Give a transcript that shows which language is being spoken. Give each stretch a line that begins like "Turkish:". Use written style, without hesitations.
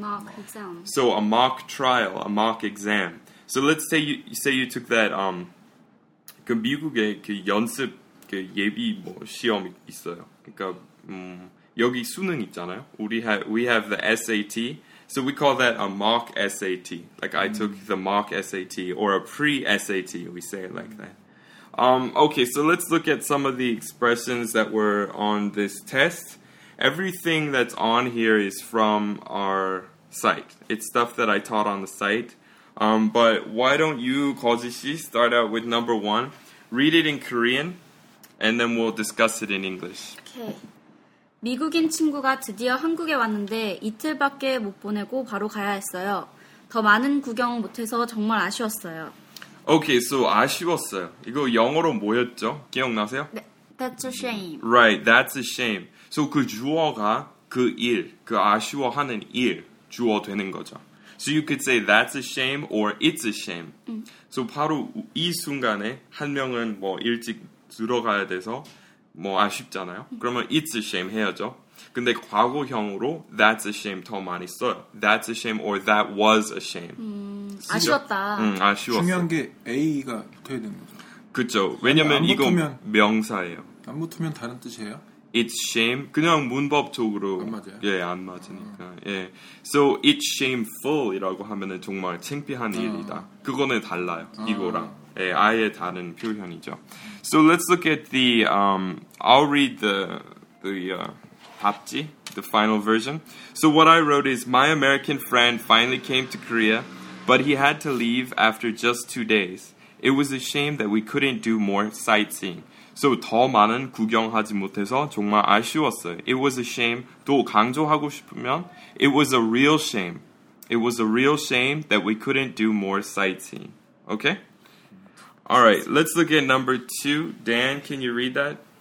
English: Mock exam. So, a mock trial, a mock exam. So, let's say you took that,
Korean: 그 미국에 그 연습 그 예비 뭐 시험이 있어요. 그러니까 여기 수능 있잖아요.
English: We have the SAT. So we call that a mock SAT. Like I took the mock SAT or a pre-SAT. We say it like that. Okay, so let's look at some of the expressions that were on this test. Everything that's on here is from our site. It's stuff that I taught on the site. But why don't you, 거지씨, start out with number one. Read it in Korean, and then we'll discuss it in English. Okay.
Korean: 미국인 친구가 드디어 한국에 왔는데 이틀밖에 못 보내고 바로 가야 했어요. 더 많은 구경 못해서 정말 아쉬웠어요. Okay, so 아쉬웠어요. 이거 영어로 뭐였죠? 기억나세요?
English: That's a shame. Right, that's a shame.
Korean: So 그 주어가 그 일, 그 아쉬워하는 일 주어 되는 거죠.
English: So you could say that's a shame or it's a shame.
Korean: So 바로 이 순간에 한 명은 뭐 일찍 들어가야 돼서 뭐 아쉽잖아요. 그러면
English: it's a shame
Korean: 해야죠. 근데 과거형으로
English: that's a shame
Korean: 더 많이 써요.
English: That's a shame or that was a shame.
Korean: 아쉬웠다. 아쉬웠어. 중요한 게 A가 붙어야 되는 거죠. 그렇죠. 왜냐면 이거 명사예요. 안 붙으면 다른 뜻이에요?
English: It's shame.
Korean: 그냥 문법적으로 안 맞아요. 예, 안 맞으니까. 예.
English: So it's shameful
Korean: 이라고 하면은 정말 창피한 일이다. 그거는 달라요. 이거랑. 예, 아예 다른 표현이죠.
English: So let's look at the, I'll read the 답지, the final version. So what I wrote is, my American friend finally came to Korea, but he had to leave after just 2 days. It was a shame that we couldn't do more sightseeing.
Korean: So 더 많은 구경하지 못해서 정말 아쉬웠어요.
English: It was a shame.
Korean: 또 강조하고 싶으면,
English: it was a real shame. It was a real shame that we couldn't do more sightseeing. Okay? Alright, let's look at number two. Dan, can you read that?